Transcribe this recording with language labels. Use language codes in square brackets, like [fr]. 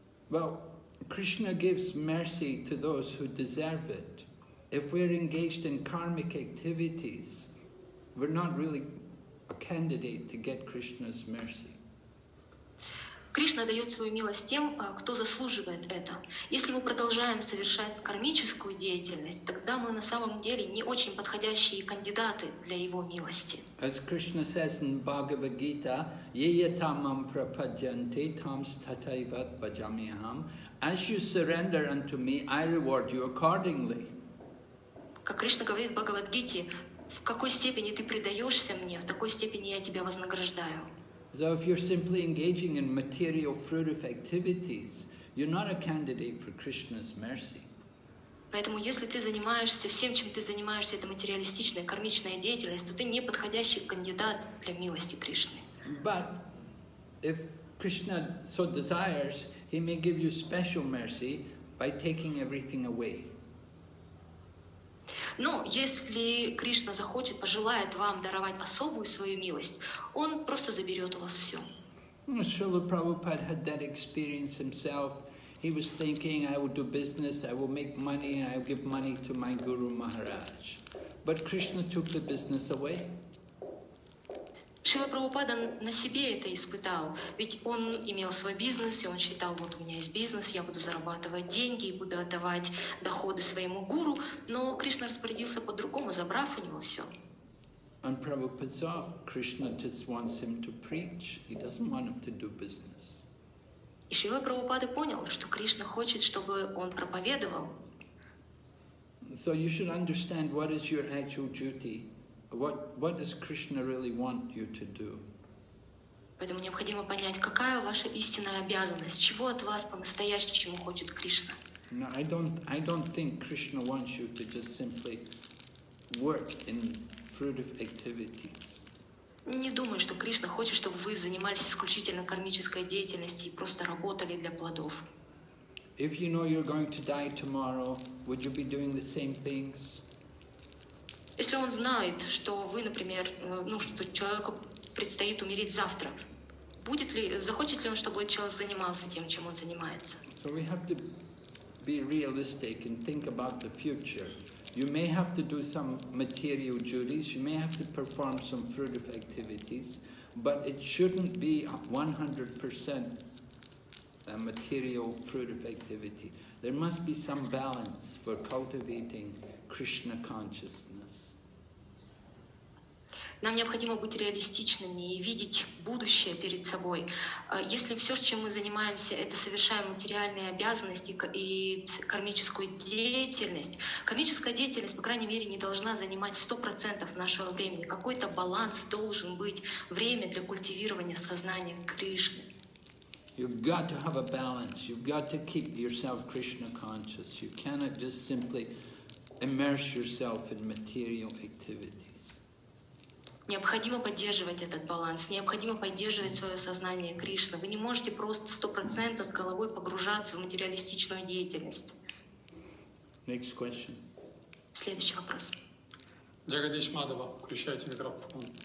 [en] Well, Krishna gives mercy to those who deserve it. If we're engaged in karmic activities, we're not really a candidate to get Krishna's mercy. [ru] Кришна дает свою милость тем, кто заслуживает это. Если мы продолжаем совершать кармическую деятельность, тогда мы на самом деле не очень подходящие кандидаты для его милости. [en] As Krishna says in Bhagavad Gita, [sa] yayatamam prapadyante tam stataivat bhajamiham. [en] As you surrender unto me, I reward you accordingly. [ru] Как Кришна говорит в Бхагавад Гите, в какой степени ты предаешься мне, в такой степени я тебя вознаграждаю. [en] So if you're simply engaging in material fruitive activities, you're not a candidate for Krishna's mercy. [ru] Поэтому если ты занимаешься всем, чем ты занимаешься, это материалистичная, кармичная деятельность, то ты не подходящий кандидат для милости Кришны. [en] But if Krishna so desires, he may give you special mercy by taking everything away. [ru] Но если Кришна захочет, пожелает вам даровать особую свою милость, он просто заберет у вас все. [en] Шрила Прабхупада had that experience himself. He was thinking, I will do business, I will make money, I will give money to my Guru Maharaj. But Krishna took the business away. [ru] Шрила Прабхупада на себе это испытал, ведь он имел свой бизнес, и он считал, вот у меня есть бизнес, я буду зарабатывать деньги и буду отдавать доходы своему гуру, но Кришна распорядился по-другому, забрав у него все. [en] And Prabhupada saw Krishna just wants him to preach, he doesn't want him to do business. [ru] И Шрила Прабхупада понял, что Кришна хочет, чтобы он проповедовал. [en] So you should understand what is your actual duty. What does Krishna really want you to do? [ru] Поэтому необходимо понять, какая ваша истинная обязанность, чего от вас по-настоящему хочет Кришна. [en] No, I don't think Krishna wants you to just simply work in fruitive activities. [ru] Не думаю, что Кришна хочет, чтобы вы занимались исключительно кармической деятельностью и просто работали для плодов. [en] If you know you're going to die tomorrow, would you be doing the same things? [ru] Если он знает, что вы, например, ну, что человеку предстоит умереть завтра, будет ли, захочет ли он, чтобы человек занимался тем, чем он занимается? [en] So we have to be realistic and think about the future. You may have to do some material duties, you may have to perform some fruitive activities, but it shouldn't be 100% a material fruitive activity. There must be some balance for cultivating Krishna consciousness. [ru] Нам необходимо быть реалистичными и видеть будущее перед собой. Если все, чем мы занимаемся, это совершаем материальные обязанности и кармическую деятельность, кармическая деятельность, по крайней мере, не должна занимать 100% нашего времени. Какой-то баланс должен быть, время для культивирования сознания Кришны. [en] You've got to have a balance. You've got to keep yourself Krishna conscious. You cannot just simply immerse yourself in material activities. [ru] Необходимо поддерживать этот баланс. Необходимо поддерживать свое сознание Кришны. Вы не можете просто 100% с головой погружаться в материалистичную деятельность. [en] Next question. [ru] Следующий вопрос. Джагадиш Мадава, включайте микрофон.